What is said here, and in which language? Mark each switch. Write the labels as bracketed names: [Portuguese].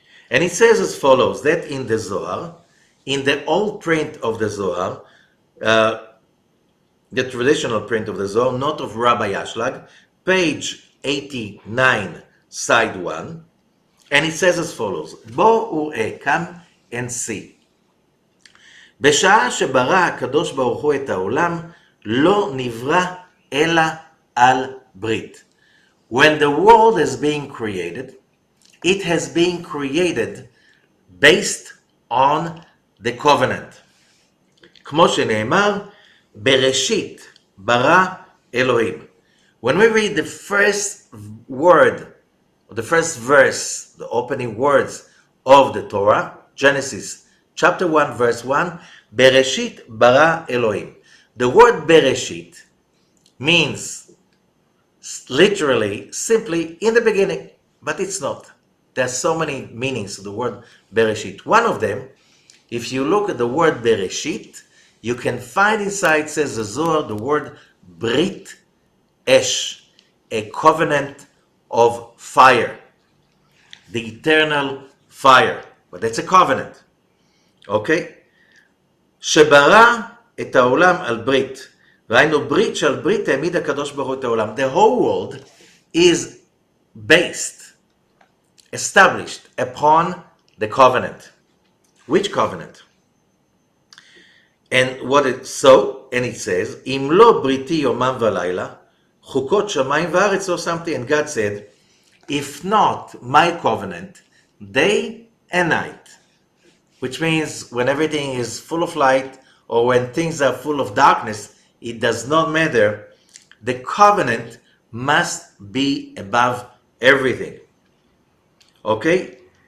[English] And it says as follows, that in the Zohar, in the old print of the Zohar, the traditional print of the Zohar, not of Rabbi Ashlag, page 89, side 1, and it says as follows, Bo ure, come and see. [Hebrew] בשעה שברא הקדוש ברוך הוא את העולם, לא נברא אלא על ברית. [English] When the world is being created, it has been created based on the covenant. [Hebrew] כמו שנאמר, בראשית ברא אלוהים. [English] When we read the first word, or the first verse, the opening words of the Torah, Genesis chapter 1, verse 1, [Hebrew] Bereshit bara Elohim. [English] The word Bereshit means literally, simply, in the beginning, but it's not. There's so many meanings to the word Bereshit. One of them, if you look at the word Bereshit, you can find inside, says the Zohar, the word Brit Esh, a covenant of fire, the eternal fire. But that's a covenant, okay? [Hebrew] שברא את העולם על ברית, ראינו ברית שעל ברית העמיד הקדוש ברוך הוא את העולם. [English] The whole world is based, established upon the covenant. Which covenant? And what it so, and it says, [Hebrew] אם לא בריתי יומם ולילה, חוקות שמיים וארץ, [English] or something, and God said, if not my covenant, day and night, which means when everything is full of light, or when things are full of darkness, it does not matter, the covenant must be above everything. Okay?